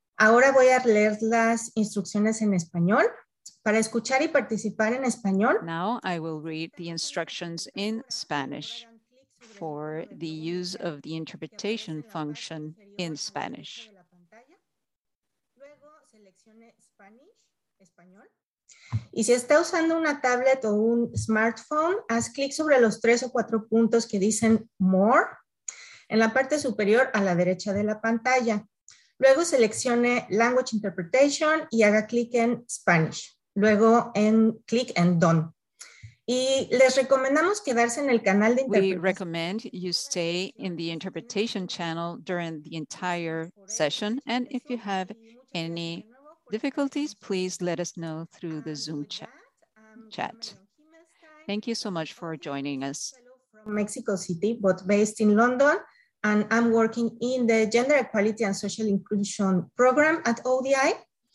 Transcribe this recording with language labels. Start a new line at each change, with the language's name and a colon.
Spanish: Ahora voy a leer las instrucciones en español. Para escuchar y participar en español.
English: Now I will read the instructions in Spanish for the use of the interpretation function in Spanish.
Spanish: Luego seleccione Spanish, español. Y si está usando una tablet o un smartphone, haz clic sobre los tres o cuatro puntos que dicen More en la parte superior a la derecha de la pantalla. Luego seleccione Language Interpretation y haga clic en Spanish. Luego en clic en Done. Y les recomendamos quedarse en el canal de interpretación.
English: We recommend you stay in the interpretation channel during the entire session, and if you have any difficulties, please let us know through the Zoom chat. Thank you so much for joining us. From Mexico City, but based in London, and I'm working in the Gender Equality and Social Inclusion Program at ODI.